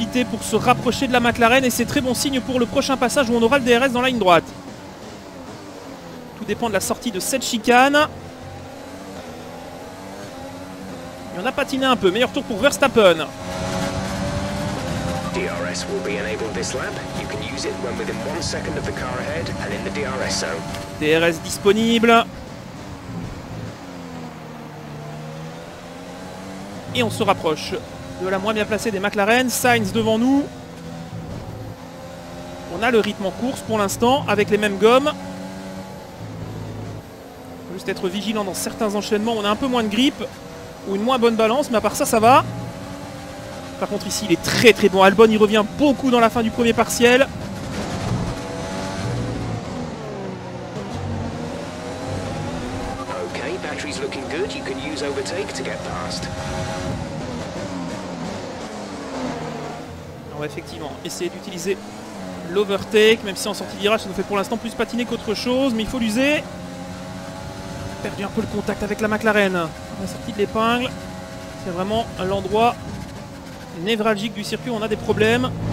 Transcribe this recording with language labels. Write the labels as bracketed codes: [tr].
[fr] Pour pour se rapprocher de la McLaren et c'est très bon signe pour le prochain passage où on aura le DRS dans la ligne droite. Tout dépend de la sortie de cette chicane. Il y en a patiné un peu, meilleur tour pour Verstappen. [en] DRS will be enabled this lap. You can use it when within 1 second of the car ahead and in the DRS zone. [fr] DRS disponible. Et on se rapproche de la moins bien placée des McLaren. Sainz devant nous. On a le rythme en course pour l'instant avec les mêmes gommes. Faut juste être vigilant dans certains enchaînements. On a un peu moins de grippe ou une moins bonne balance, mais à part ça, ça va. Par contre ici il est très très bon. Albon il revient beaucoup dans la fin du premier partiel. [en] Okay, battery's looking good. You can use overtake to get past. [fr] On va effectivement essayer d'utiliser l'overtake, même si en sortie de virage ça nous fait pour l'instant plus patiner qu'autre chose, mais il faut l'user. On a perdu un peu le contact avec la McLaren. La sortie de l'épingle, c'est vraiment l'endroit névralgique du circuit, on a des problèmes.